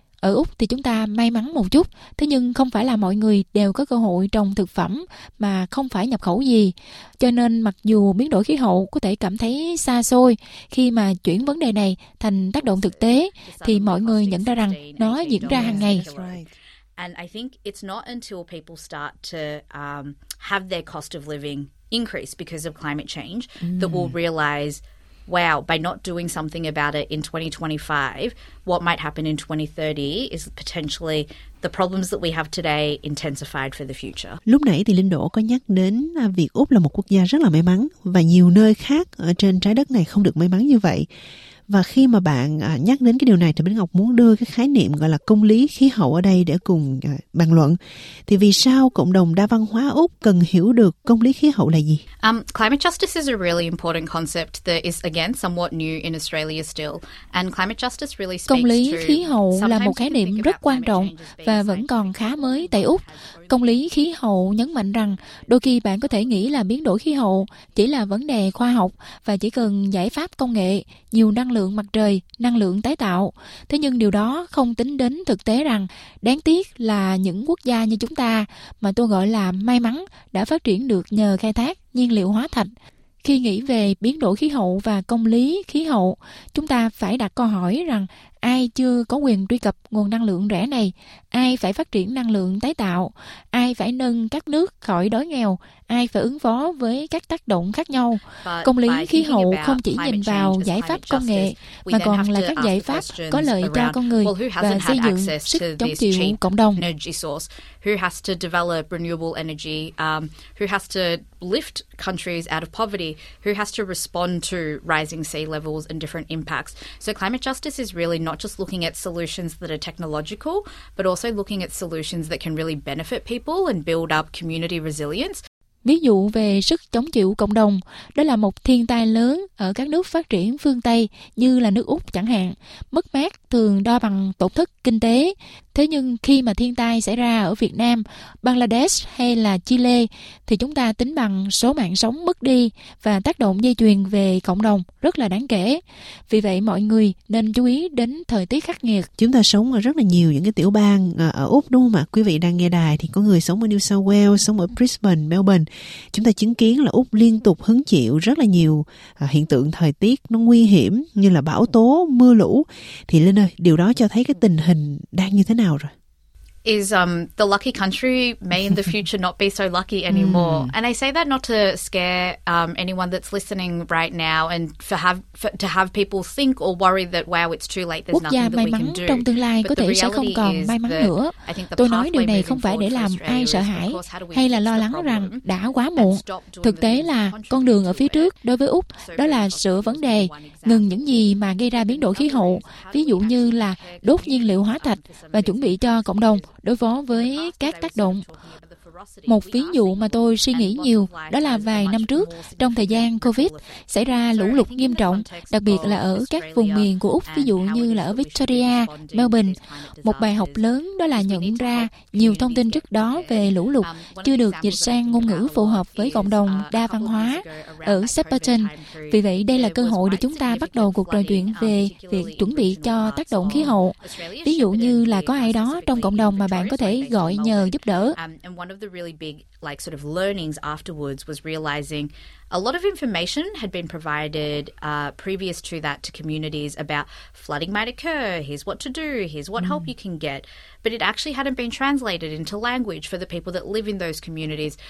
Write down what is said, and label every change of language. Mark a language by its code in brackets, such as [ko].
[vi] Ở Úc thì chúng ta may mắn một chút, thế nhưng không phải là mọi người đều có cơ hội trồng thực phẩm mà không phải nhập khẩu gì. Cho nên mặc dù biến đổi khí hậu có thể cảm thấy xa xôi, khi mà chuyển vấn đề này thành tác động thực tế thì mọi người nhận ra rằng nó diễn ra hàng ngày. [en] And I think it's not until people start to have their cost of living increase because of climate change that we'll realize, wow, by not doing something about it in 2025, what might happen in 2030 is potentially the problems that we have today intensified for the future. [vi] Lúc nãy thì Linh Đỗ có nhắc đến việc Úc là một quốc gia rất là may mắn và nhiều nơi khác ở trên trái đất này không được may mắn như vậy. Và khi mà bạn nhắc đến cái điều này thì Bích Ngọc muốn đưa cái khái niệm gọi là công lý khí hậu ở đây để cùng bàn luận. Thì vì sao cộng đồng đa văn hóa Úc cần hiểu được công lý khí hậu là gì? [en] Climate justice is a really important concept that is again somewhat new in Australia still. And climate justice really speaks [vi] to... Công lý khí hậu là một khái niệm rất quan trọng và vẫn còn khá mới tại Úc. Công lý khí hậu nhấn mạnh rằng đôi khi bạn có thể nghĩ là biến đổi khí hậu chỉ là vấn đề khoa học và chỉ cần giải pháp công nghệ, nhiều năng lượng mặt trời, năng lượng tái tạo. Thế nhưng điều đó không tính đến thực tế rằng đáng tiếc là những quốc gia như chúng ta mà tôi gọi là may mắn đã phát triển được nhờ khai thác nhiên liệu hóa thạch. Khi nghĩ về biến đổi khí hậu và công lý khí hậu, chúng ta phải đặt câu hỏi rằng ai chưa có quyền truy cập nguồn năng lượng rẻ này, ai phải phát triển năng lượng tái tạo, ai phải nâng các nước khỏi đói nghèo, ai phải ứng phó với các tác động khác nhau. Công lý khí hậu không chỉ nhìn vào giải pháp công nghệ, mà còn là các giải pháp có lợi cho con người và xây dựng sức chống chịu cộng đồng. [en] Who has to develop renewable energy? Who has to lift countries out of poverty? Who has to respond to rising sea levels and different impacts? So climate justice is really not just looking at solutions that are technological, but also looking at solutions that can really benefit people and build up community resilience. [vi] Ví dụ về sức chống chịu cộng đồng, đó là một thiên tai lớn ở các nước phát triển phương Tây như là nước Úc chẳng hạn. Mất mát thường đo bằng tổn thất kinh tế. Thế nhưng khi mà thiên tai xảy ra ở Việt Nam, Bangladesh hay là Chile thì chúng ta tính bằng số mạng sống mất đi và tác động dây chuyền về cộng đồng rất là đáng kể. Vì vậy mọi người nên chú ý đến thời tiết khắc nghiệt. Chúng ta sống ở rất là nhiều những cái tiểu bang ở Úc đúng không ạ? Quý vị đang nghe đài thì có người sống ở New South Wales, sống ở Brisbane, Melbourne. Chúng ta chứng kiến là Úc liên tục hứng chịu rất là nhiều hiện tượng thời tiết nó nguy hiểm như là bão tố, mưa lũ. Thì Linh ơi, điều đó cho thấy cái tình hình đang như thế nào rồi? [en] Is the lucky country may in the future not be so lucky anymore. And I say that not to scare anyone that's listening right now and to have people think or worry that wow it's too late, there's nothing that we can do. [vi] Trong tương lai có thể sẽ không còn may mắn nữa. Tôi nói điều này không phải để làm ai sợ hãi hay là lo lắng rằng đã quá muộn. Thực tế là con đường ở phía trước đối với Úc đó là sửa vấn đề, ngừng những gì mà gây ra biến đổi khí hậu, ví dụ như là đốt nhiên liệu hóa thạch và chuẩn bị cho cộng đồng đối phó với các tác động. Một ví dụ mà tôi suy nghĩ nhiều đó là vài năm trước, trong thời gian COVID, xảy ra lũ lụt nghiêm trọng, đặc biệt là ở các vùng miền của Úc, ví dụ như là ở Victoria, Melbourne. Một bài học lớn đó là nhận ra nhiều thông tin trước đó về lũ lụt chưa được dịch sang ngôn ngữ phù hợp với cộng đồng đa văn hóa ở Shepparton. Vì vậy, đây là cơ hội để chúng ta bắt đầu cuộc trò chuyện về việc chuẩn bị cho tác động khí hậu. Ví dụ như là có ai đó trong cộng đồng mà bạn có thể gọi nhờ giúp đỡ. [en] And one of the really big like sort of learnings afterwards was realizing a lot of information had been provided previous to that to communities about flooding might occur, here's what to do, here's what help you can get, but it actually hadn't been translated into language for the people that live in those communities.